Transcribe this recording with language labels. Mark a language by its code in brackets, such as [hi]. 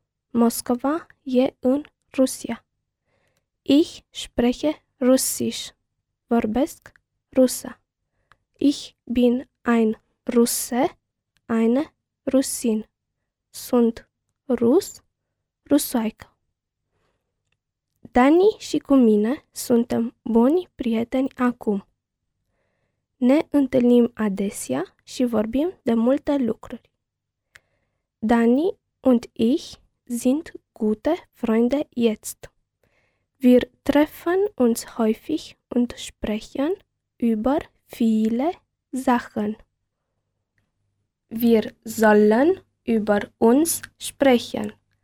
[ro] Moscova e în Rusia. [de] Ich spreche Russisch. [ro] Vorbesc rusă. [de] Ich bin ein Russe, eine Russin. [ro] Sunt rus, rusoaică. Dani și cu mine suntem buni prieteni acum. Ne întâlnim adesea și vorbim de multe lucruri. [de] Dani und ich sind gute Freunde jetzt. Wir treffen uns häufig und sprechen über viele Sachen. Wir sollen über uns sprechen.